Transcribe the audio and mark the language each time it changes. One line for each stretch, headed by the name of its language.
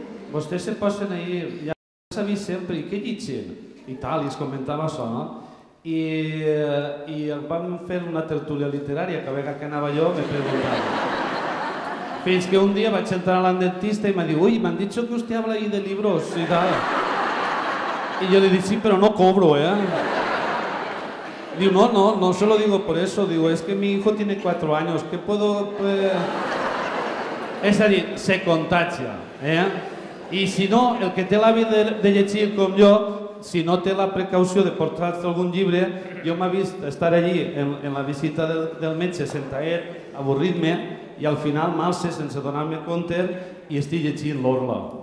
Catalan: Vostès se posen ahí, ja s'ha vist sempre, i què llegen? I tal, i es comentava això, no? I vam fer una tertúlia literària, que a vegades que anava jo, me preguntava. Fins que un dia vaig entrar a l'endentista i m'ha dit, ui, m'han dit que vostè
Spanish: habla ahí de libros,
Catalan: i tal. I jo li dic, sí, però no cobro, Diu,
Spanish: no se lo digo por eso, digo, es que mi hijo tiene 4 años, ¿qué puedo...?
Catalan: És a dir, se contagia, I si no, el que té l'hàbit de llegir com jo, si no té la precaució de portar-se algun llibre, jo m'ha vist estar allí en la visita del metge, sentaet, avorrit-me, i al final m'alce sense donar-me compte i estic llegint l'Orla.